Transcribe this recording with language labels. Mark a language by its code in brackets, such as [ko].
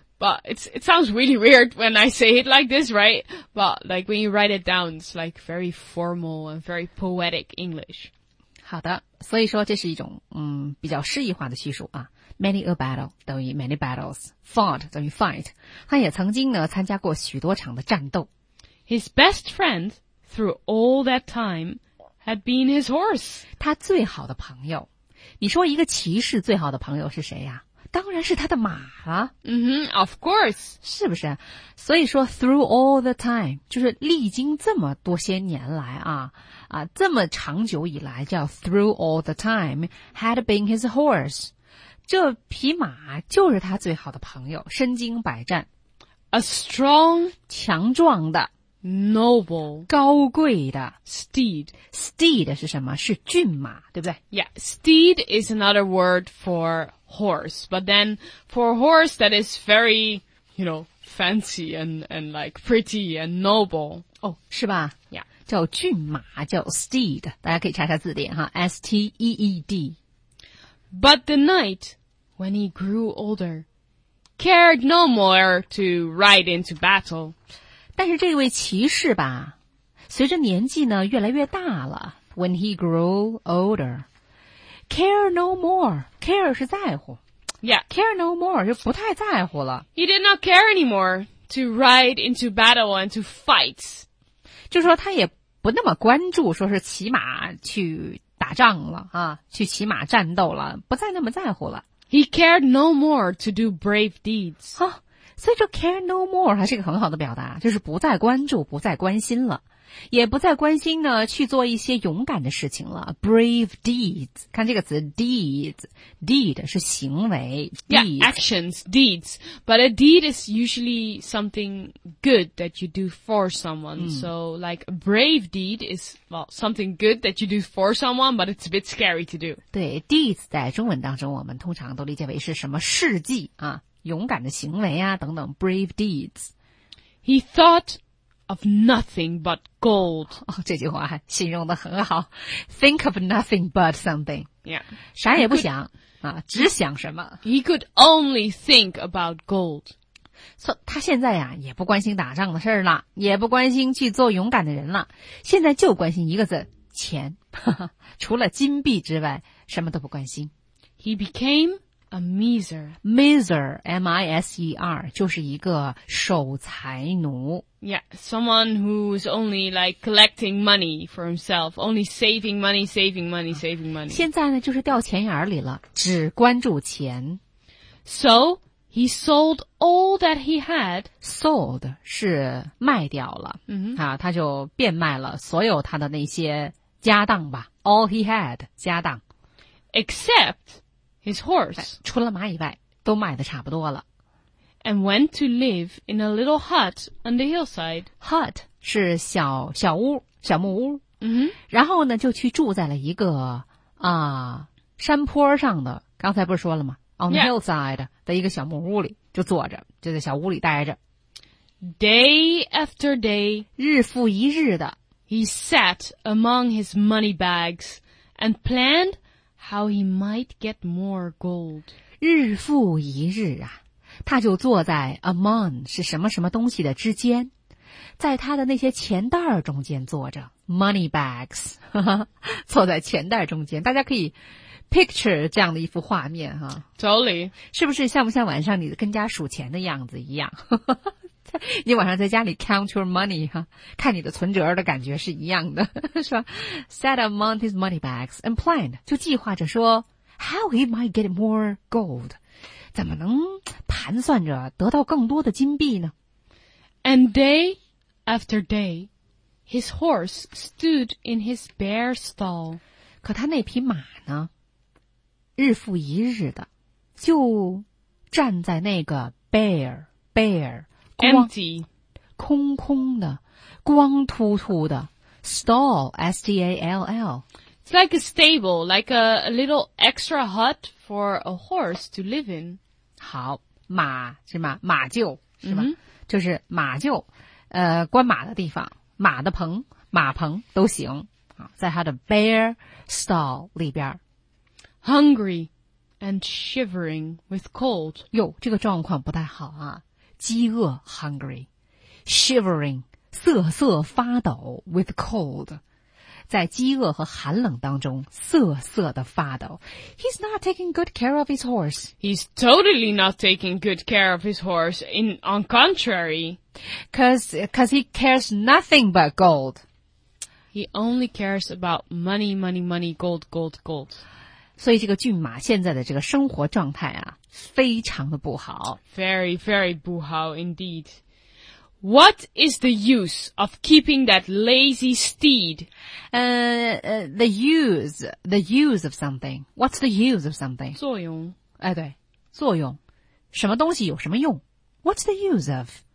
[en] But it sounds really weird when I say it like this, right? But like when you write it down, it's like very formal and very poetic English. [zh] 好的，所以说这是一种比较诗意化的叙述啊。 [en] Many a battle [zh] 等于 [en] many battles, fought 等于 fight. [zh] 他也曾经呢参加过许多场的战斗。 [en] His best friend through all that time had been his horse. [zh] 他最好的朋友，你说一个骑士最好的朋友是谁呀？当然是他的马了。 [en] 嗯哼、mm-hmm, ，of course， [zh] 是不是？所以说 ， [en] through all the time， [zh] 就是历经这么多些年来啊，这么长久以来，叫 [en] through all the time had been his horse， [zh] 这匹马就是他最好的朋友，身经百战 [en] ，a strong [zh] 强壮的 [en] ，noble [zh] 高贵的 [en] steed。 [zh] steed 是什么？是骏马，对不对 [en] ？Yeah， steed is another word for horse, but then for a horse that is very, you know, fancy and like pretty and noble. [zh] Oh, 是吧 [en] Yeah. [zh] 叫骏马叫 steed, 大家可以查查字典哈 ,steed. [en] But the knight, when he grew older, cared no more to ride into battle. [zh] 但是这位骑士吧随着年纪呢越来越大了 [en] when he grew older,Care no more. [zh] Care 是在乎。 [en] Yeah. Care no more [zh] 就不太在乎了。 [en] He did not care anymore to ride into battle and to fight. [zh] 就说他也不那么关注说是骑马去打仗了啊，去骑马战斗了，不再那么在乎了。 [en] He cared no more to do brave deeds. [zh] 啊，所以说 [en] care no more [zh] 还是一个很好的表达，就是不再关注，不再关心了。也不再关心呢去做一些勇敢的事情了。 Brave deeds， 看这个词 ，deed 是行为 [en] ，actions, deeds， but a deed is usually something good that you do for someone.、So like a brave deed is well something good that you do for someone, but it's a bit scary to do. [zh] 对 ，deeds 在中文当中，我们通常都理解为是什么事迹啊，勇敢的行为啊等等 ，brave deeds。 [en] He thought. Of nothing but gold. [zh] 哦，这句话形容得很好。 [en] Think of nothing but something. Yeah. [zh] 啥也不想啊，只想什么。 [en] He could only think about gold. [zh] 所以他现在啊，也不关心打仗的事了，也不关心去做勇敢的人了，现在就关心一个字，钱。除了金币之外，什么都不关心。 [en] He became a miser. [zh] Miser, M-I-S-E-R, 就是一个守财奴。 [en] Yeah, someone who is only like collecting money for himself, only saving money, saving money, saving money. [zh] 现在呢，就是掉钱眼里了，只关注钱。 [en] So, he sold all that he had. [zh] Sold 是卖掉了、 mm-hmm. 啊，他就变卖了所有他的那些家当吧。 [en] All he had, [zh] 家当。 [en] Except his horse. [zh] 除了马以外，都卖得差不多了。 [en] And went to live in a little hut on the hillside. [zh] Hut 是小小屋小木屋。 Mm-hmm. 然后呢就去住在了一个啊、山坡上的刚才不是说了吗 ? [en] on the、 yeah. [zh] hillside 的一个小木屋里就坐着就在小屋里待着。 [en] Day after day, [zh] 日复一日的 [en] he sat among his money bags and planned how he might get more gold. [zh] 日复一日啊。他就坐在 among 是什么什么东西的之间，在他的那些钱袋中间坐着 money bags， 呵呵坐在钱袋中间，大家可以 picture 这样的一幅画面哈、 [en] 啊、，totally， [zh] 是不是像不像晚上你跟家数钱的样子一样？呵呵你晚上在家里 [en] count your money [zh] 哈、啊，看你的存折的感觉是一样的，是吧 ？ [en] Set among his money bags and planned 就计划着说 how he might get more gold。 [zh] 怎么能盘算着得到更多的金币呢 [en] ？And day after day, his horse stood in his bare stall. [zh] 可他那匹马呢？日复一日的就站在那个 bare [en] empty [zh] 空空的光秃秃的 stall s t a l l. [en] It's like a stable, like a little extra hut for a horse to live in. [zh] 好马是吗马厩是吧、mm-hmm. 就是马厩关马的地方马的棚马棚都行啊在他的 bear stall 里边。 [en] Hungry and shivering with cold. [zh] 哟这个状况不太好啊饥饿 hungry, shivering, 瑟瑟发抖 [en] with cold. [zh] 在饥饿和寒冷当中瑟瑟的发抖。 [en] He's not taking good care of his horse. He's totally not taking good care of his horse. In, on contrary. Cause he cares nothing but gold. He only cares about money, money, money, gold, gold, gold. [zh] 所以这个骏马现在的这个生活状态啊非常的不好。 [en] Very, very [zh] 不好 [en] indeed. What is the use of keeping that lazy steed? The use of something. What's the use of something? [zh] 作用。哎对。作用。什么东西有什么用? [en] What's the use of?